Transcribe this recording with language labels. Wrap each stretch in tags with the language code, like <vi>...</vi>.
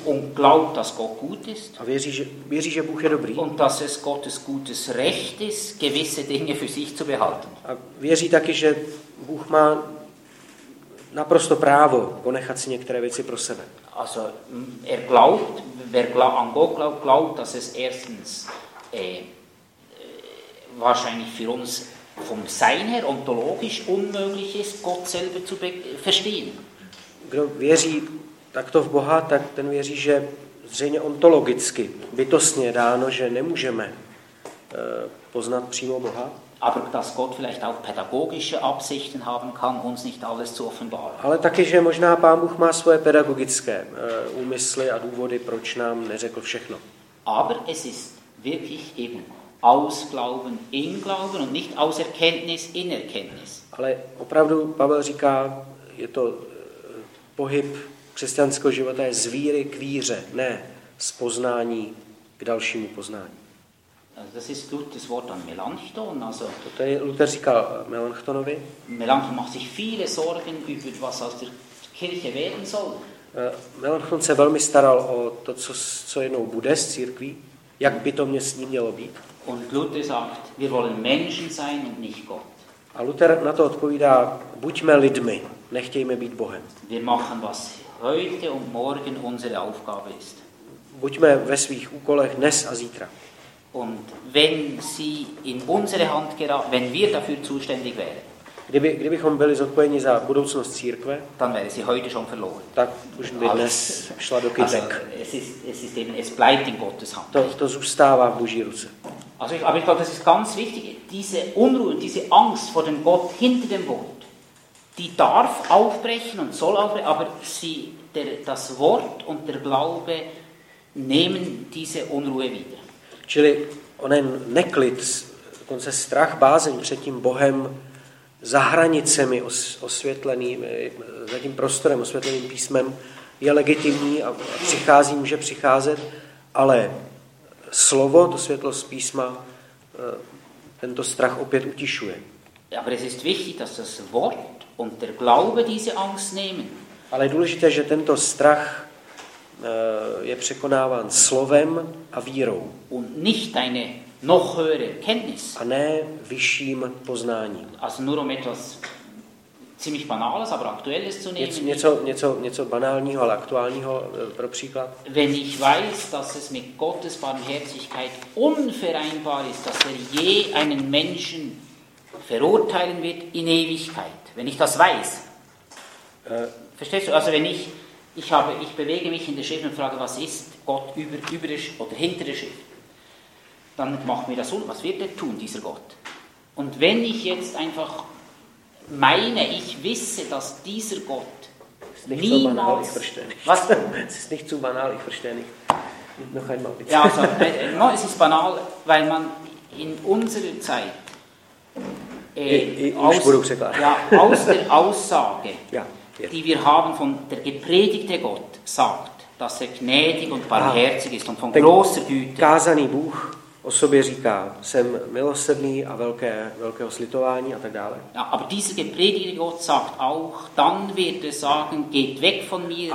<de>und glaubt, dass Gott gut ist.</de> <cs>A věří, že Bůh je dobrý.</cs> <de>Und dass es Gottes gutes Recht ist, gewisse Dinge für sich zu behalten.</de> <cs>A věří taky, že Bůh má naprosto právo ponechat si některé věci pro sebe.</cs> <de>Also er glaubt, wer an Gott glaubt, dass es erstens wahrscheinlich für uns vom Sein her ontologisch unmöglich ist, Gott selber zu verstehen.</de> <cs>Kdo věří takto v Boha, tak ten věří, že zřejmě ontologicky, bytostně dáno, že nemůžeme poznat přímo Boha.</cs> <de>Aber dass Gott vielleicht auch pädagogische Absichten haben kann, uns nicht alles zu offenbaren.</de> <cs>Ale taky, že možná Pán Bůh má svoje pedagogické úmysly a důvody, proč nám neřekl všechno.</cs> <de>Aber es ist wirklich eben aus Glauben in Glauben und nicht aus Erkenntnis in Erkenntnis.</de> <cs>Ale opravdu Pavel říká, je to pohyb křesťanského života je z víry k víře, ne z poznání k dalšímu poznání.</cs> <de>Das ist Luthers Wort an Melanchthon. Also,</de> <cs>toto je Luther říkal Melanchthonovi.</cs> <de>Melanchthon macht sich viele Sorgen über was aus der Kirche werden soll.</de> <cs>Melanchthon se velmi staral o to, co jednou bude z církví, jak by to mě s ním mělo být.</cs> <de>Und Luther sagt, wir wollen Menschen sein und nicht Gott.</de> <cs>A Luther na to odpovídá, buďme lidmi, nechtějme být Bohem.</cs> <de>Wir machen was heute und morgen unsere Aufgabe ist.</de> <cs>Buďme ve svých úkolech dnes a zítra.</cs> <de>Und wenn sie in unsere Hand geraten, wenn wir dafür zuständig wären.</de> <cs>Kdybychom byli zodpovědní za budoucnost církve,</cs> <de>dann wäre sie heute schon verloren.</de> <cs>Tak už by dnes šla do kytek.</cs> <de>Es bleibt in Gottes Hand.</de> <cs>To zůstává v Boží ruce.</cs> <de>Also ich, aber ich glaube, das ist ganz wichtig, diese Unruhe, diese Angst vor dem Gott hinter dem Wort, die darf aufbrechen und soll aufbrechen, aber sie, das Wort und der Glaube nehmen diese Unruhe wieder.</de> <cs>Čili onen neklid, dokonce strach, bázeň před tím Bohem za hranicemi osvětleným, za tím prostorem osvětleným písmem je legitimní a přichází, může přicházet, ale slovo, to světlo z písma, tento strach opět utišuje.</cs> <de>Aber es ist wichtig, dass das Wort und der Glaube diese Angst nehmen.</de> <cs>Ale je důležité, že tento strach je překonáván slovem a vírou.</cs> <de>Und nicht eine noch höhere Kenntnis.</de> <cs>A ne vyšším poznáním.</cs> <de>Also nur um etwas ziemlich banales, aber aktuelles zu nehmen.</de> <cs>Něco banálního, ale aktuálního, pro příklad.</cs> <de>Wenn ich weiß, dass es mit Gottes Barmherzigkeit unvereinbar ist, dass er je einen Menschen verurteilen wird in Ewigkeit. Wenn ich das weiß. Verstehst du? Also wenn ich bewege mich in der Schrift und frage, was ist Gott über der Schrift oder hinter der Schrift? Dann macht mir das was wird er tun, dieser Gott? Und wenn ich jetzt einfach meine, ich wisse, dass dieser Gott niemals... Es ist nicht zu banal, ich verstehe nicht. Noch einmal bitte. Ja, also, no, es ist banal, weil man in unserer Zeit aus der Aussage... Ja. Die wir haben von der gepredigte Gott sagt, dass er gnädig und barmherzig ist und von großer Güte.</de> <cs>Kázaný Bůh o sobě říká, jsem milosrdný a velkého slitování a tak dále.</cs> <de>Ja, aber dieser gepredigte Gott sagt auch, dann wird er sagen, geht weg von mir.</de>